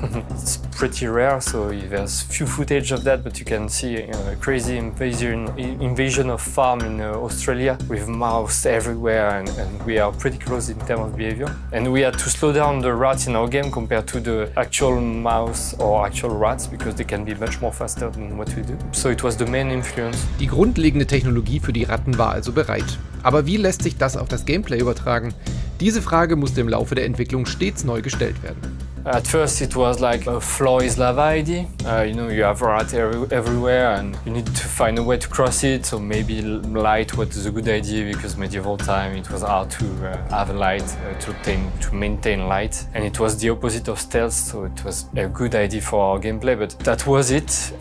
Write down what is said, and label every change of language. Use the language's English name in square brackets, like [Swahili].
[English] It's pretty rare, so there's few footage of that, but you can see a crazy invasion of farm in Australia with mouse everywhere, and we are pretty close in terms of behavior. And we had to slow down the rats in our game compared to the actual mouse or actual rats, because they can be much more faster than what we do. So it was the main influence. [German] Die grundlegende Technologie für die Ratten war also bereit. Aber wie lässt sich das auf das Gameplay übertragen? Diese Frage musste im Laufe der Entwicklung stets neu gestellt werden. [English] At first it was like a floor is lava idea. You know, you have rats everywhere and you need to find a way to cross it. So maybe light was a good idea, because medieval time it was hard to have light, to maintain light. And it was the opposite of stealth, so it was a good idea for our gameplay, but that was it.